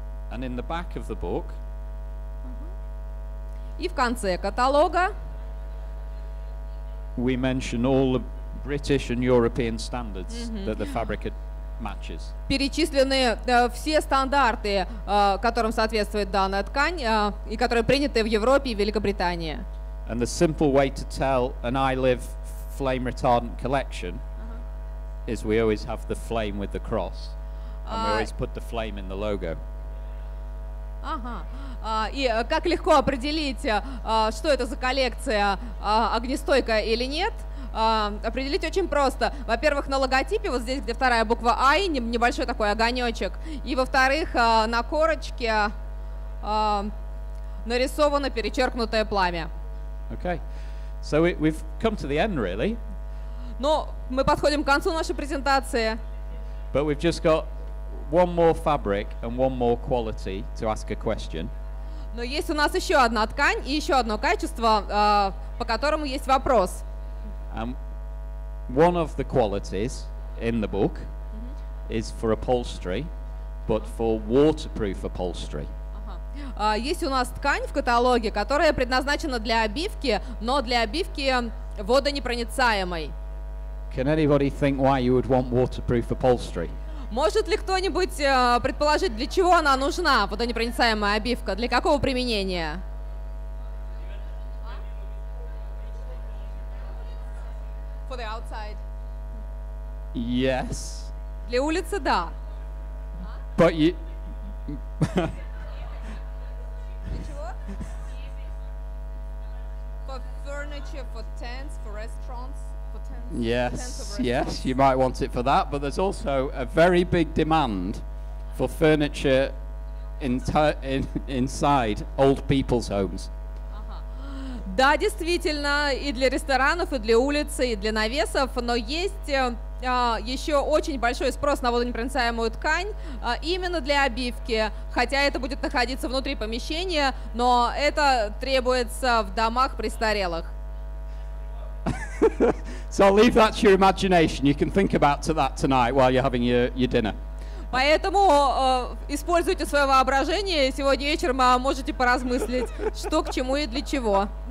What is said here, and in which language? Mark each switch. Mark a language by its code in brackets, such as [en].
[en] And in the back of the book. [ru] И в конце каталога. [en] We mention all the British and European standards that the fabric matches. [ru] Перечислены все стандарты, которым соответствует данная ткань, и которые приняты в Европе и Великобритании. [en] And the simple way to tell an iLive flame retardant collection is we always have the flame with the cross, and we always put the flame in the logo. [ru] Ага. И как легко определить, что это за коллекция, огнестойкая или нет? Определить очень просто. Во-первых, на логотипе, вот здесь, где вторая буква I, небольшой такой огонечек. И во-вторых, на корочке нарисовано перечеркнутое пламя. [en] Okay. So we've come to the end, really. [ru] Ну, мы подходим к концу нашей презентации. [en] But we've just got one more fabric and one more quality to ask a question. [ru] Но есть у нас еще одна ткань и еще одно качество, по которому есть вопрос. [en] One of the qualities in the book is for upholstery, but for waterproof upholstery. [ru] Есть у нас ткань в каталоге, которая предназначена для обивки, но для обивки водонепроницаемой. [en] Can anybody think why you would want waterproof upholstery? [ru] Может ли кто-нибудь предположить, для чего она нужна, водонепроницаемая обивка? Для какого применения? [en] For the outside. Yes. [ru] Для улицы, да. [en] But you... For furniture, for tents, for restaurants. Yes, you might want it for that, but there's also a very big demand for furniture inside old people's homes. [ru] Да, действительно, и для ресторанов, и для улицы, и для навесов, но есть еще очень большой спрос на водонепроницаемую ткань именно для обивки, хотя это будет находиться внутри помещения, но это требуется в домах престарелых. [en] So I'll leave that to your imagination. You can think about that tonight while you're having your dinner. [ru] Поэтому используйте свое воображение. Сегодня вечером можете поразмыслить, что к чему и для чего.